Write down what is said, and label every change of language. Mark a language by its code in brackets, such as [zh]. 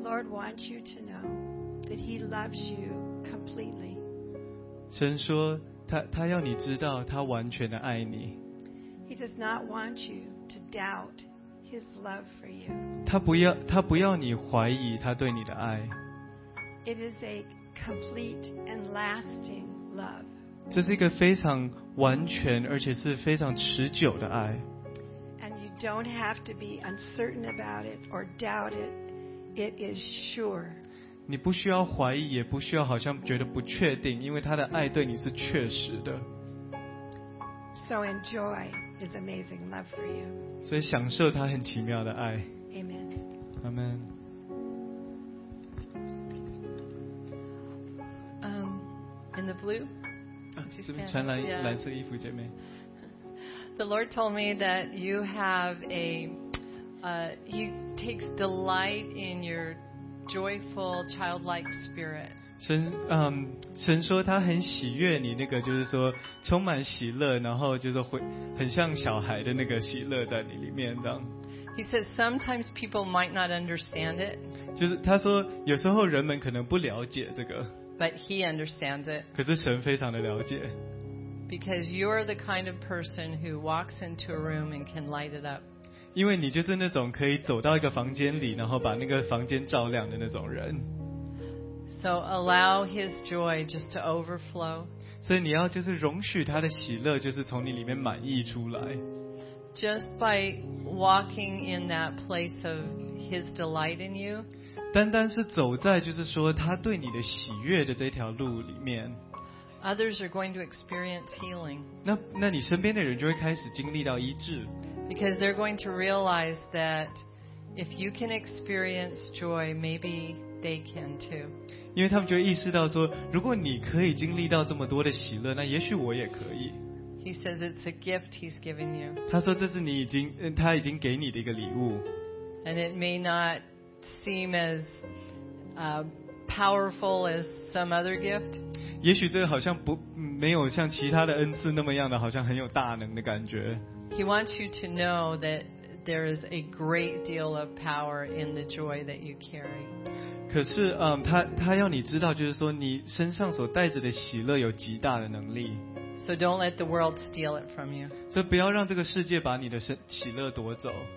[en] Wants you to know that he loves you completely. [zh] 神说他要你知道他完全的爱你。 [en] He does not want you to doubt his love for you. [zh] 他不要你怀疑他对你的爱。 [en] It is a complete and lasting love. [zh] 这是一个非常完全而且是非常持久的爱。 [en] And you don't have to be uncertain about it or doubt it. It is sure. [zh] 你不需要怀疑，也不需要好像觉得不确定，因为他的爱对你是确实的。 [en] So enjoy his amazing love for you. [zh] 所以享受他很奇妙的爱。 [en] Amen. Amen. In the blue. [zh] 这边穿蓝色衣服姐妹。 [en] The Lord told me that you have a he takes delight in your joyful, childlike spirit. [zh] 神说他很喜悦你那个，就是说充满喜乐，然后就是会很像小孩的那个喜乐在你里面这样。 [en] He says sometimes people might not understand it. [zh] 就是他说有时候人们可能不了解这个。 [en] But he understands it. [zh] 可是神非常的了解。 [en] Because you're the kind of person who walks into a room and can light it up. [zh] 因为你就是那种可以走到一个房间里，然后把那个房间照亮的那种人。 [en] So allow his joy just to overflow. [zh] 所以你要就是容许他的喜乐就是从你里面满溢出来。 [en] Just by walking in that place of his delight in you. [zh] 单单是走在就是说他对你的喜悦的这条路里面。 [en] Others are going to experience healing. [zh] 那你身边的人就会开始经历到医治。 [en] Because they're going to realize that if you can experience joy, maybe they can too. [zh] 因为他们就意识到说，如果你可以经历到这么多的喜乐，那也许我也可以。 [en] He says it's a gift he's given you. [zh] 他说这是你已经他已经给你的一个礼物。 [en] And it may not seem as powerful as some other gift. [zh] 也许这个好像不没有像其他的恩赐那么样的，好像很有大能的感觉。 [en] He wants you to know that there is a great deal of power in the joy that you carry. [zh] 可是，他要你知道，就是说你身上所带着的喜乐有极大的能力。 [en] So don't let the world steal it from you. [zh] 所以不要让这个世界把你的喜乐夺走。